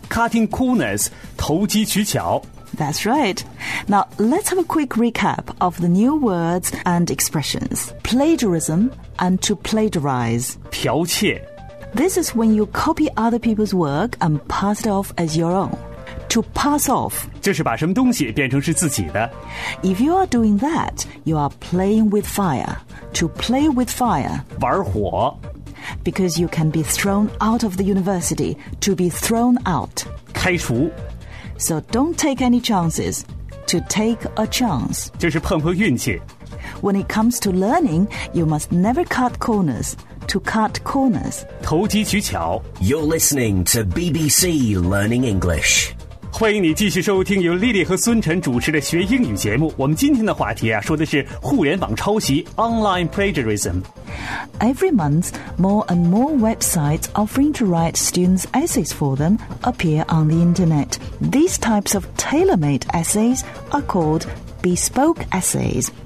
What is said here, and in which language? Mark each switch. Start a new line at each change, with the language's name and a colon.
English: Cutting corners, 投机取巧。 That's right. Now, let's have a quick recap of the new words and expressions. Plagiarism and to plagiarize.
Chinese: 剽窃。
English: This is when you copy other people's work and pass it off as your own. To pass off.
Chinese: 就是把什么东西变成是自己的。
English: If you are doing that, you are playing with fire. To play with fire.
Chinese: 玩火。
English: Because you can be thrown out of the university. To be thrown out.
Chinese: 开除。
English: So don't take any chances. To take a chance.
Chinese: 就是碰碰运气。
English: When it comes to learning, you must never cut corners. To cut corners.
Chinese: 投机取巧
English: You're listening to BBC Learning English.
Chinese: 欢迎你继续收听由 Lily 和孙晨主持的学英语节目。我们今天的话题啊，说的是互联网抄袭 Online plagiarism.
English: Every month, more and more websites offering to write students' essays for them appear on the internet. These types of tailor-made essays are called bespoke essays.